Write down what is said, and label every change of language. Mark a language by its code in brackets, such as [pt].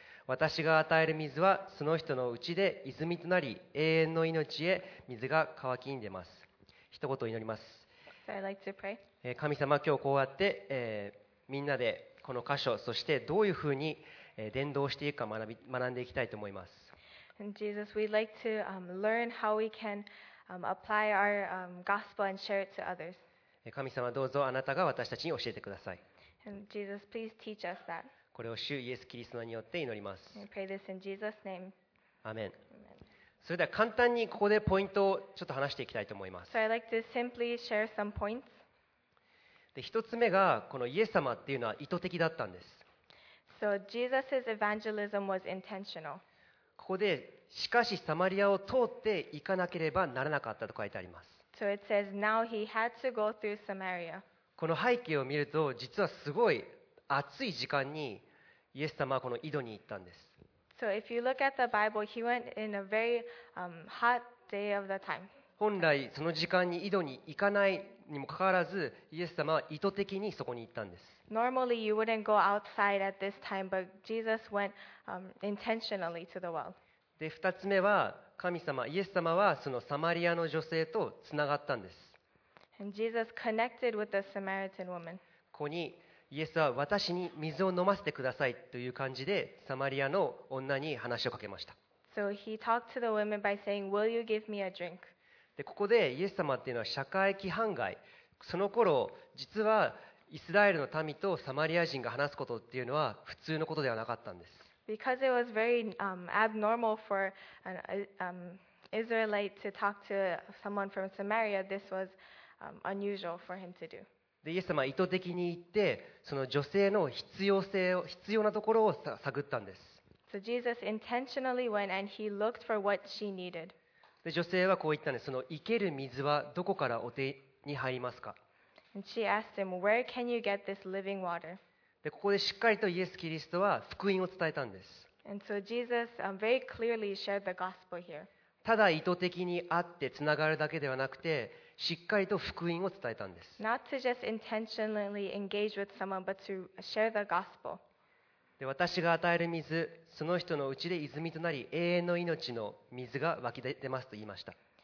[ja] 私が与える水はその人のうちで泉となり、永遠の命へ水が乾きに出ます。一言祈ります。 [en] So I'd like to pray. [ja] 神様、今日こうやって、みんなでこの箇所、そしてどういうふうに伝道していくか学んでいきたいと思います。 [en] And Jesus, we'd like to learn how we can apply our gospel and share it to others. [ja] 神様、どうぞあなたが私たちに教えてください。 [en] And Jesus, please teach us that. [ja] これを主イエスキリストによって祈ります。 [en] Pray this in Jesus' name. Amen. [ja] それでは簡単にここでポイントをちょっと話していきたいと思います。 [en] So I'd like to simply share some points. [ja] で、一つ目がこのイエス様っていうのは意図的だったんです。 [en] So Jesus's evangelism was intentional. [ja] ここでしかしサマリアを通って行かなければならなかったと書いてあります。 [en] So it says now he had to go through Samaria. [ja] この背景を見ると実はすごい暑い時間にイエス様はこの井戸に行ったんです。 [en] So if you look at the Bible, he went in a very hot day of the time. [ja] 本来その時間に井戸に行かないにもかかわらず、イエス様は意図的にそこに行ったんです。 [en] Normally you wouldn't go outside at this time, but Jesus went intentionally to the well. [ja] で、二つ目は神様、イエス様はそのサマリアの女性とつながったんです。 [en] And Jesus connected with the Samaritan woman. [ja] ここにイエスは私に水を飲ませてくださいという感じでサマリアの女に話をかけました。 [en] So he talked to the woman by saying, "Will you give me a drink?" [ja] で、ここでイエス様っていうのは社会規範外、その頃実はイスラエルの民とサマリア人が話すことっていうのは普通のことではなかったんです。 [en] Because it was very abnormal for an Israelite to talk to someone from Samaria, this was unusual for him to do. [ja] で、イエス様は意図的に行って、その女性の必要なところを探ったんです。 [en] So Jesus intentionally went and he looked for what she needed. [ja] で、女性はこう言ったんです。その生ける水はどこからお手に入りますか。 [en] And she asked him, "Where can you get this living water?" [ja] で、ここでしっかりとイエス・キリストは福音を伝えたんです。 [en] And so Jesus very clearly shared the gospel here. [ja] ただ意図的に会ってつながるだけではなくて、しっかりと福音を伝えたんです。 [en] Not to just intentionally engage with someone, but to share the gospel. [ja] で、私が与える水、その人のうちで泉となり、永遠の命の水が湧き出ますと言いました。